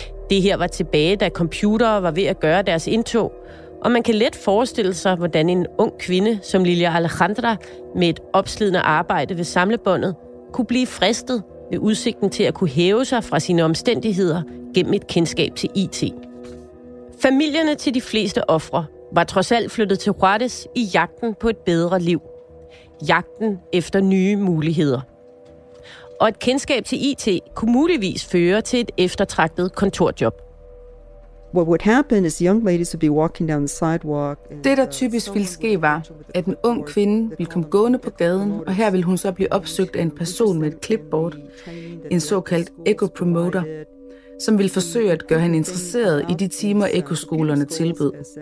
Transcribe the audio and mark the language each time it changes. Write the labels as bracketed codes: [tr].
[da] Det her var tilbage, da computere var ved at gøre deres indtog, og man kan let forestille sig, hvordan en ung kvinde som Lilia Alejandra med et opslidende arbejde ved samlebåndet kunne blive fristet ved udsigten til at kunne hæve sig fra sine omstændigheder gennem et kendskab til IT. Familierne til de fleste ofre var trods alt flyttet til Juarez i jagten på et bedre liv. Jagten efter nye muligheder. Og et kendskab til IT kunne muligvis føre til et eftertragtet kontorjob. [en] What would happen is young ladies would be walking down the sidewalk. [da] Det der typisk ville ske var, at en ung kvinde ville komme gående på gaden, og her ville hun så blive opsøgt af en person med et clipboard, en såkaldt eco promoter, som ville forsøge at gøre hende interesseret i de timer ekoskolerne tilbød.